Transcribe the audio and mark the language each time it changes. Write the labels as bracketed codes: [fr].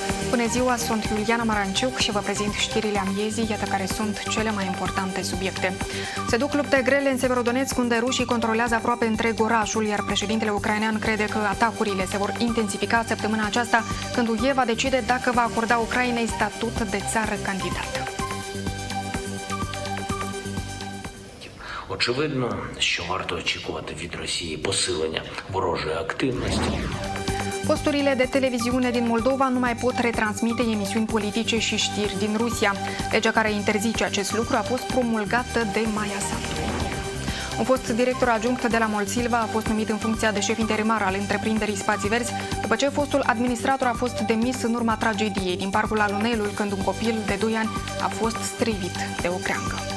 [ro] Bună ziua, sunt Iuliana Maranciuc și vă prezint știrile amiezii, iată care sunt cele mai importante subiecte. Se duc lupte grele în Severodonețc, unde rușii controlează aproape întreg orașul, iar președintele ucrainean crede că atacurile se vor intensifica săptămâna aceasta, când UE va decide dacă va acorda Ucrainei statut de țară candidat. [uk] Очевидно, що варто очікувати від Росії посилення ворожої активності. [ro] Posturile de televiziune din Moldova nu mai pot retransmite emisiuni politice și știri din Rusia. Legea care interzice acest lucru a fost promulgată de Maia Sandu. Un fost director adjunct de la Moldsilva a fost numit în funcția de șef interimar al întreprinderii Spații Verzi, după ce fostul administrator a fost demis în urma tragediei din parcul Alunelul, când un copil de 2 ani a fost strivit de o creangă.